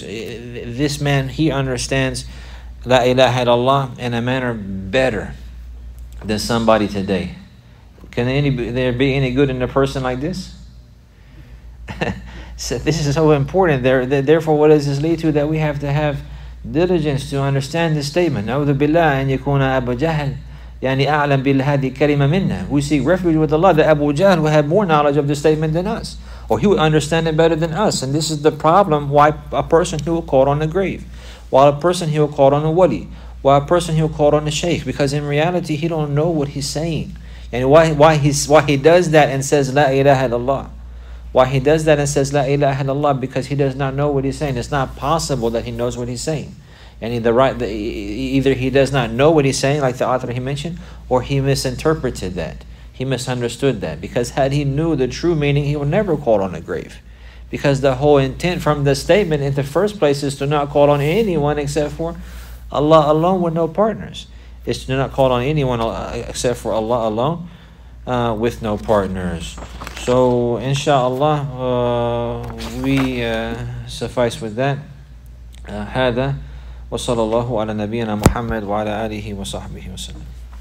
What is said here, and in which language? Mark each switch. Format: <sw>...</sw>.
<en>This man, he understands La ilaha illallah in a manner better than somebody today. Can there be any good in a person like this? So this is so important. Therefore, what does this lead to? That we have to have diligence to understand this statement.</en> <ar>Na'udhu billah an yakuna Abu Jahl يعني أعلم بهذه الكلمة منا.</ar> <en>We seek refuge with Allah. That Abu Jahl will have more knowledge of this statement than us, or he will understand it better than us. And this is the problem: why a person who will call on a grave, while a person who will call on a wali, while a person who will call on a sheikh, because in reality he don't know what he's saying. And why he does that and says La ilaha illallah. Why he does that and says La ilaha illallah, because he does not know what he's saying. It's not possible that he knows what he's saying. And either he does not know what he's saying, like the author he mentioned, or he misinterpreted that. He misunderstood that. Because had he knew the true meaning, he would never call on a grave. Because the whole intent from the statement in the first place is to not call on anyone except for Allah alone with no partners. It's to not call on anyone except for Allah alone with no partners. So, inshallah, we suffice with that.</en> <ar>هذا وصلى الله على نبينا محمد وعلى آله وصحبه وسلم.</ar>